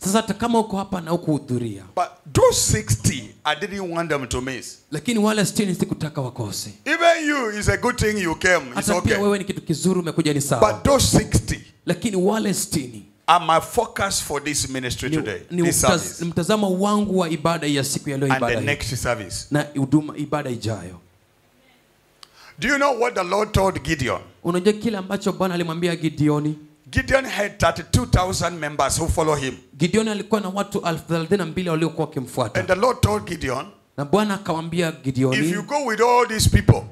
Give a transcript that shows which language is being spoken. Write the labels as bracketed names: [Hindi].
[Swahili] Sasa kama uko hapa na hukuhudhuria. [English] But those 60, I didn't want them to miss. [Swahili] Lakini wale 60 sikutaka wakose. [English] Even you, is a good thing you came. It's okay. [Swahili] Hata pia wewe ni kitu kizuri umekuja, ni sawa. [English] But those 60. [Swahili] Lakini wale 60. [English] Are my focus for this ministry today. This service. [Swahili] Ni mtazama wangu wa ibada ya siku ya leo, ibada. [English] And the next service. [Swahili] Na huduma ibada ijayo. [English] Do you know what the Lord told Gideon? [Swahili] Unajua kile ambacho Bwana alimwambia Gideoni? [English] Gideon had 32,000 members who follow him. [Swahili] Gideon alikuwa na watu 32,000 waliokuwa wakimfuata. [English] And the Lord told Gideon. [Swahili] Na Bwana akamwambia Gideon. [English] If you go with all these people.